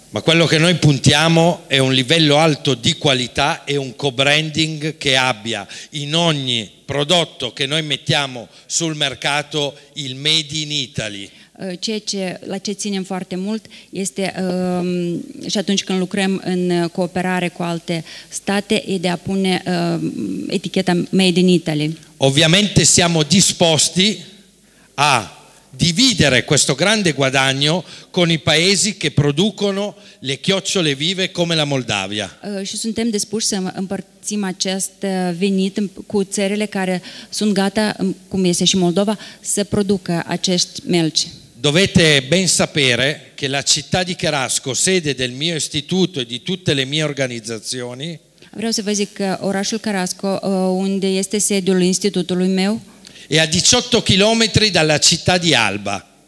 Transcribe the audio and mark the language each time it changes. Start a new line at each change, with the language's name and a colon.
Italian: Ma quello che noi puntiamo è un livello alto di qualità e un co-branding che abbia in ogni prodotto che noi mettiamo sul mercato il Made in Italy.
Romanian: La ce ținem foarte mult este și atunci când lucrăm în cooperare cu alte state e de a pune eticheta Made in Italy.
Italian: Ovviamente siamo disposti a dividere questo grande guadagno con i paesi che producono le chiocciole vive come la Moldavia.
Romanian: Și suntem dispuși să împărțim acest venit cu țările care sunt gata, cum este și Moldova, să producă acești melci.
Italian: Dovete ben sapere che la città di Cherasco, sede del mio istituto e di tutte le mie organizzazioni,
Romanian: vreau să vă zic că orașul Cherasco, unde este sediul institutului meu,
Italian: è a 18 km dalla città di Alba.